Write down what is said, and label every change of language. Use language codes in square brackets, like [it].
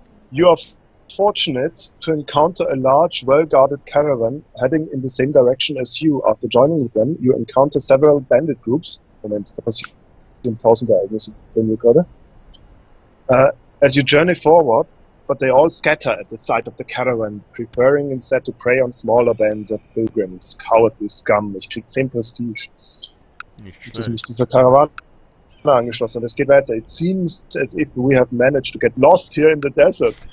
[en] You are fortunate to encounter a large, well-guarded caravan heading in the same direction as you. After joining them, you encounter several bandit groups. [de] Moment, da passieren tausend Ereignisse, sehen wir gerade. [en] As you journey forward, but they all scatter at the sight of the caravan, preferring instead to prey on smaller bands of pilgrims. Cowardly scum. [de] Ich krieg 10 Prestige. Nicht Dass schlecht. mich dieser Karawane angeschlossen. Es geht weiter. [en] It seems as if we have managed to get lost here in the desert.